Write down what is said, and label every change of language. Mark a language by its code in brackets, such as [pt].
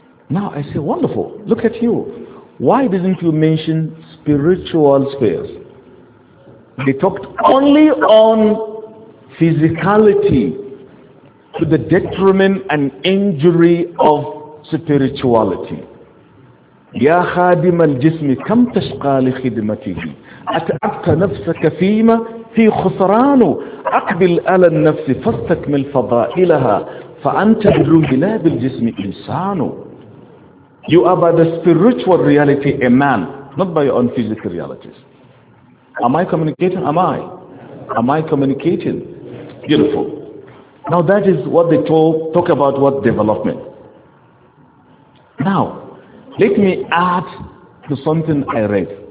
[en] Now I say, wonderful. Look at you. Why didn't you mention spiritual spheres? They talked only on physicality to the detriment and injury of spirituality. [ar] يا خادم الجسم كم تشقى لخدمته أتعبت نفسك فيما في خسران أقبل على النفس فاستكمل فضائلها فأنت بالروح لا بالجسم إنسان. [en] You are by the spiritual reality a man, not by your own physical realities. Am I communicating? Am I communicating? Beautiful. Now that is what they talk about, what development. Now, let me add to something I read.